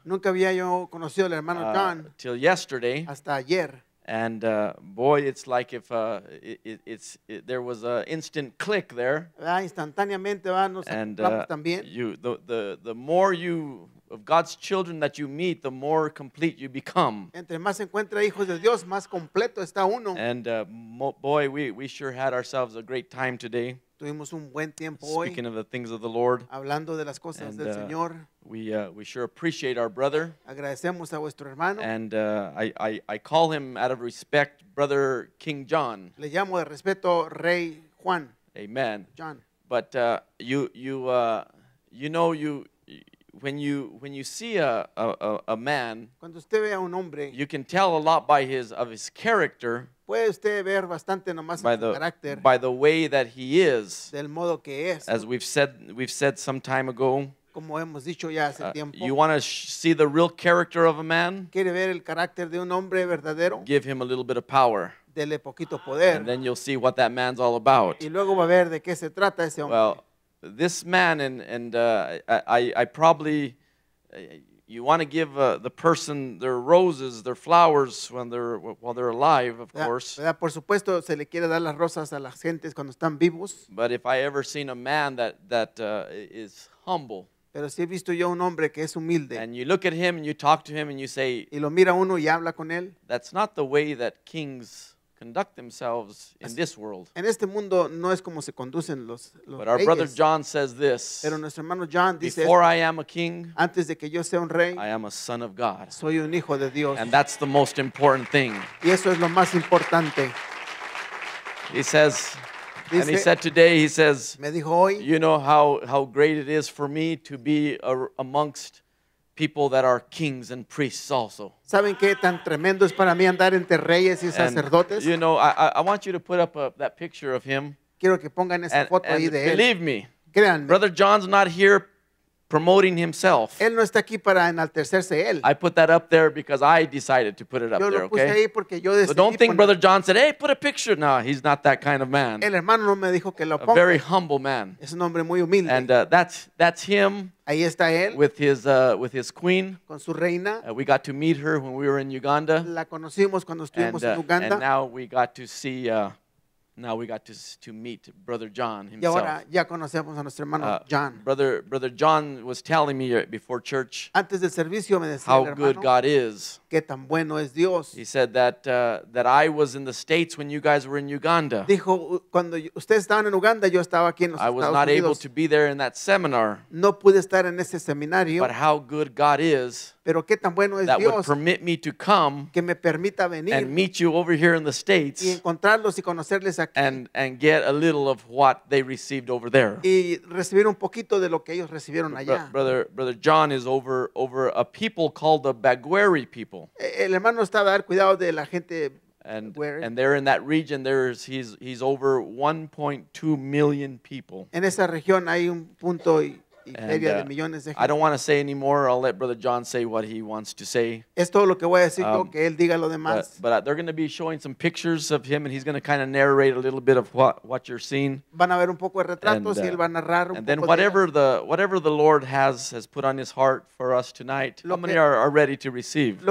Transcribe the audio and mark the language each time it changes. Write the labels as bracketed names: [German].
[English] until yesterday. And boy, it's like if there was an instant click there. The more you of God's children that you meet, the more complete you become. [Spanish] Entre más encuentra hijos de Dios, más completo está uno. [English] And boy, we sure had ourselves a great time today. [Spanish] Tuvimos un buen tiempo hoy. [English] Speaking of the things of the Lord. [Spanish] Hablando de las cosas del Señor. [English] We sure appreciate our brother. [Spanish] Agradecemos a vuestro hermano. [English] And I call him out of respect, Brother King John. [Spanish] Le llamo de respeto Rey Juan. [English] Amen. John. But when you see a man, [Spanish] cuando usted ve a un hombre, [English] you can tell a lot by his character. [Spanish] Puede usted ver bastante nomás [English] by [Spanish] su carácter, [English] by the way that he is, [Spanish] del modo que es. [English] As we've said some time ago. [Spanish] Como hemos dicho ya hace tiempo. [English] You want to see the real character of a man? [Spanish] ¿Quiere ver el carácter de un hombre verdadero? [English] Give him a little bit of power. [Spanish] Dele poquito poder. [English] And then you'll see what that man's all about. [Spanish] Y luego va a ver de qué se trata ese hombre. [English] Well, this man, I probably, you want to give the person their roses, their flowers while they're alive, of course. [Spanish] Por supuesto, se le quiere dar las rosas a las gentes cuando están vivos. [English] But if I ever seen a man that is humble. [Spanish] Pero si he visto yo un hombre que es humilde. [English] And you look at him and you talk to him and you say. [Spanish] Y lo mira uno y habla con él. [English] That's not the way that kings conduct themselves in this world. [Spanish] En este mundo no es como se conducen los reyes. [English] But our brother John says this. [Spanish] Pero nuestro hermano John dice, [English] before I am a king, [Spanish] antes de que yo sea un rey, [English] I am a son of God. [Spanish] Soy un hijo de Dios. [English] And that's the most important thing. [Spanish] Y eso es lo más importante. [English] He says, [Spanish] dice, [English] and he said today, he says, [Spanish] me dijo hoy, [English] you know how great it is for me to be amongst people that are kings and priests also. [Spanish] ¿Saben qué tan tremendo es para mí andar entre reyes y sacerdotes? [English] You know, I want you to put up that picture of him. [Spanish] Quiero que pongan esa foto ahí de él. [English] Believe me. [Spanish] Créanme. [English] Brother John's not here promoting himself. [Spanish] Él no está aquí para enaltecerse él. [English] I put that up there because I decided to put it up [Spanish] yo [English] there, [Spanish] lo puse [English] okay? [Spanish] Ahí porque yo decidí [English] so don't think Brother John said, hey, put a picture. No, he's not that kind of man. [Spanish] El hermano no me dijo que lo ponga. [English] A very humble man. [Spanish] Es un hombre muy humilde. [English] And that's him. [Spanish] Ahí está él. [English] With his queen. [Spanish] Con su reina. [English] We got to meet her when we were in Uganda. [Spanish] La conocimos cuando estuvimos en Uganda. [English] And now we got to see... Now we got to meet Brother John himself. [Spanish] Y ahora ya conocemos a nuestro hermano John. [English] Brother John was telling me before church [Spanish] antes del servicio me decía [English] how [Spanish] el hermano, [English] good God is. [Spanish] Qué tan bueno es Dios. [English] He said that I was in the States when you guys were in Uganda. [Spanish] Dijo cuando ustedes estaban en Uganda yo estaba aquí en los [English] I was [Spanish] Estados [English] not [Spanish] Unidos. [English] Able to be there in that seminar. [Spanish] No pude estar en ese seminario. [English] But how good God is. [Spanish] Pero qué tan bueno es [English] that [Spanish] Dios [English] would permit me to come [Spanish] que me permita venir [English] and meet you over here in the States [Spanish] y encontrarlos y conocerles aquí [English] and get a little of what they received over there. [Spanish] Y recibir un poquito de lo que ellos recibieron allá. [English] Brother John is over a people called the Bugwere people. [Spanish] El hermano está a dar cuidado de la gente [English] and there in that region, he's over 1.2 million people. [Spanish] En esa región hay un punto y [English] I don't want to say anymore. I'll let Brother John say what he wants to say. [Spanish] Es todo lo que voy a decir, que él diga lo demás. [English] But they're going to be showing some pictures of him, and he's going to kind of narrate a little bit of what you're seeing. [Spanish] Van a ver un poco de retratos y él va a narrar un poco. [English] And then whatever the Lord has put on his heart for us tonight, how many are ready to receive?